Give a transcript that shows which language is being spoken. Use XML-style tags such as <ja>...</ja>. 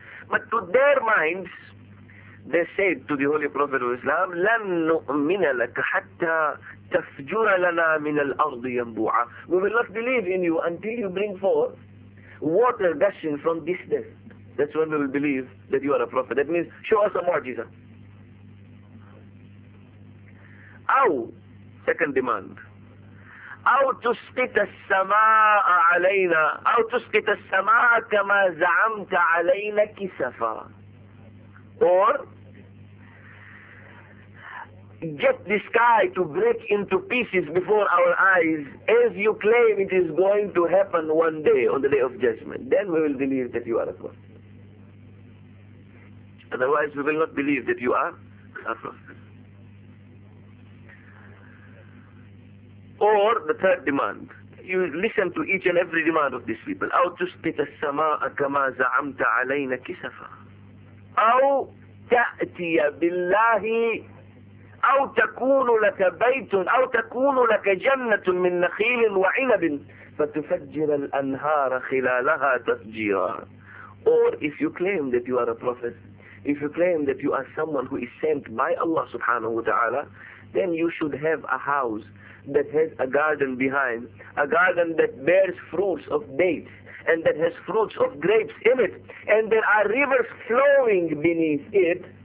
<en>But to their minds, they said to the Holy Prophet of Islam,</en> <ar>لَن نُؤْمِنَ لَكَ حَتَّى تَفْجُرَ لَنَا مِنَ الْأَرْضِ يَنْبُوعًا.</ar> <en>We will not believe in you until you bring forth water gushing from this desert. That's when we will believe that you are a prophet. That means, show us a mu'jiza.</en> <ar>أو</ar> <en>second demand.</en> <ar>أو تسقط السماء علينا أو تسقط السماء كما زعمت علينا كسفا.</ar> <en>Or get the sky to break into pieces before our eyes as you claim it is going to happen one day on the day of judgment. Then we will believe that you are a prophet. Otherwise we will not believe that you are a prophet. Or the third demand, you listen to each and every demand of these people,</en> <ar>أو تسقط السماء كما زعمت علينا كسفا, أو تأتي بالله, أو تكون لك بيت, أو تكون لك جنة من نخيل وعنب فتفجر الأنهار خلالها تفجيرا.</ar> <en>Or if you claim that you are a prophet, if you claim that you are someone who is sent by Allah subhanahu wa ta'ala, then you should have a house that has a garden behind, a garden that bears fruits of dates, and that has fruits of grapes in it, and there are rivers flowing beneath it.</en>